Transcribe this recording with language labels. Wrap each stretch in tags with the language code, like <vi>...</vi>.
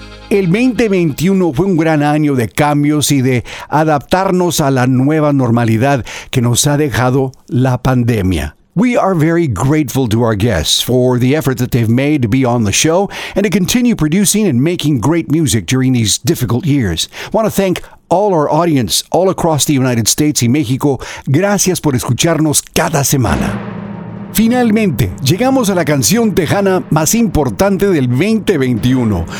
<es>El 2021 fue un gran año de cambios y de adaptarnos a la nueva normalidad que nos ha dejado la pandemia.</es> <en>We are very grateful to our guests for the effort that they've made to be on the show and to continue producing and making great music during these difficult years. I want to thank all our audience all across the United States</en> <es>y México. Gracias por escucharnos cada semana. Finalmente, llegamos a la canción tejana más importante del 2021.</es>